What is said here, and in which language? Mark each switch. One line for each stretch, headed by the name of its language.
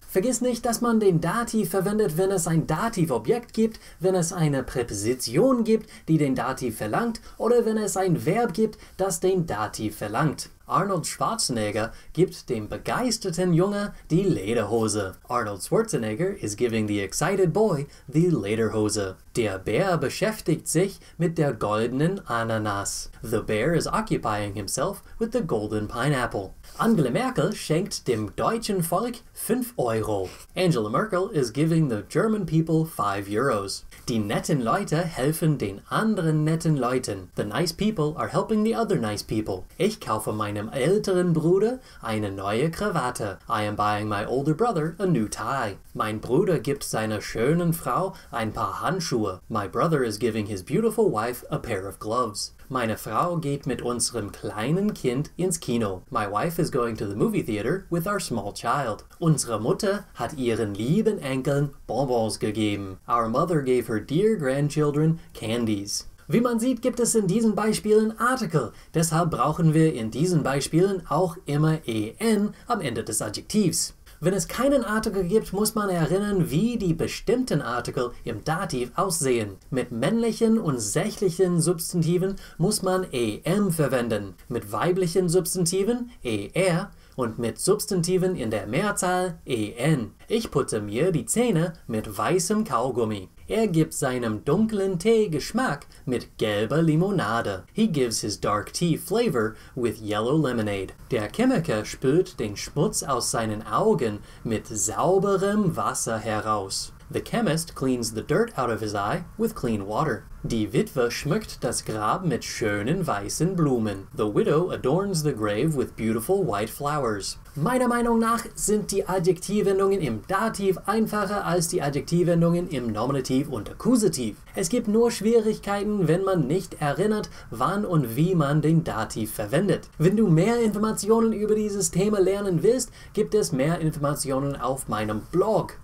German: Vergiss nicht, dass man den Dativ verwendet, wenn es ein Dativobjekt gibt, wenn es eine Präposition gibt, die den Dativ verlangt, oder wenn es ein Verb gibt, das den Dativ verlangt. Arnold Schwarzenegger gibt dem begeisterten Junge die Lederhose.
English: Arnold Schwarzenegger is giving the excited boy the Lederhose.
German: Der Bär beschäftigt sich mit der goldenen Ananas.
English: The bear is occupying himself with the golden pineapple.
German: Angela Merkel schenkt dem deutschen Volk 5 Euro.
English: Angela Merkel is giving the German people 5 Euros.
German: Die netten Leute helfen den anderen netten Leuten.
English: The nice people are helping the other nice people.
German: Ich kaufe meinem älteren Bruder eine neue Krawatte.
English: I am buying my older brother a new tie.
German: Mein Bruder gibt seiner schönen Frau ein paar Handschuhe.
English: My brother is giving his beautiful wife a pair of gloves.
German: Meine Frau geht mit unserem kleinen Kind ins Kino.
English: My wife is going to the movie theater with our small child.
German: Unsere Mutter hat ihren lieben Enkeln Bonbons gegeben.
English: Our mother gave her dear grandchildren candies.
German: Wie man sieht, gibt es in diesen Beispielen Artikel. Deshalb brauchen wir in diesen Beispielen auch immer en am Ende des Adjektivs. Wenn es keinen Artikel gibt, muss man erinnern, wie die bestimmten Artikel im Dativ aussehen. Mit männlichen und sächlichen Substantiven muss man em verwenden, mit weiblichen Substantiven er und mit Substantiven in der Mehrzahl en. Ich putze mir die Zähne mit weißem Kaugummi. Er gibt seinem dunklen Tee Geschmack mit gelber Limonade.
English: He gives his dark tea flavor with yellow lemonade.
German: Der Chemiker spült den Schmutz aus seinen Augen mit sauberem Wasser heraus.
English: The chemist cleans the dirt out of his eye with clean water.
German: Die Witwe schmückt das Grab mit schönen weißen Blumen.
English: The widow adorns the grave with beautiful white flowers.
German: Meiner Meinung nach sind die Adjektivwendungen im Dativ einfacher als die Adjektivwendungen im Nominativ und Akkusativ. Es gibt nur Schwierigkeiten, wenn man nicht erinnert, wann und wie man den Dativ verwendet. Wenn du mehr Informationen über dieses Thema lernen willst, gibt es mehr Informationen auf meinem Blog.